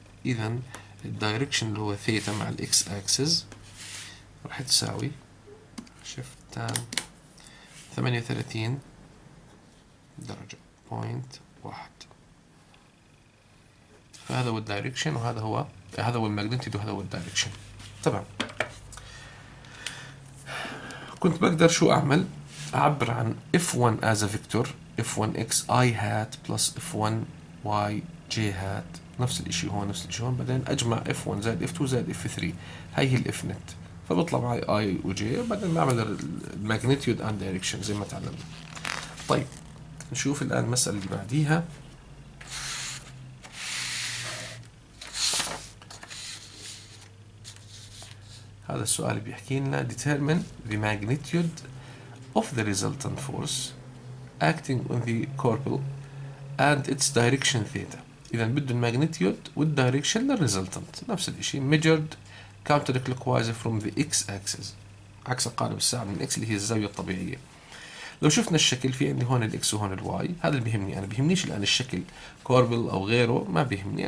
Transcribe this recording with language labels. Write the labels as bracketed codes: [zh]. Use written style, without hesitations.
[ar] إذن الدايركشن اللي هو ثيتا مع الإكس أكسس راح تساوي شيفت تان 38 درجة 0.1. فهذا هو الدايركشن وهذا هو هذا هو الماجنتيود وهذا هو الدايركشن. تمام. كنت بقدر شو أعمل؟ أعبر عن [en] F1 as a vector, F1 x i hat plus F1 y j hat. [ar] نفس الإشي هون نفس الإشي هون. بعدين أجمع F1 زائد F2 زائد F3. هاي هي الF net. فبطلع معي i و j. بعدين نعمل [en] magnitude and direction [ar] زي ما تعلمنا. طيب نشوف الآن المسألة اللي بعديها. هذا السؤال بيحكي لنا [en] determine the magnitude of the resultant force acting on the corpuscle and its direction theta. [ar] إذن بده الماجنتيود والدايركشن للريزلتنت. نفس الشيء [en] measured counterclockwise from the x axis [ar] عكس قارب الساعة من x اللي هي الزاوية الطبيعية. لو شفنا الشكل في عندي هون ال x وهون ال y. هذا اللي بيهمني أنا. بيهمنيش الآن الشكل corpuscle أو غيره ما بيهمني.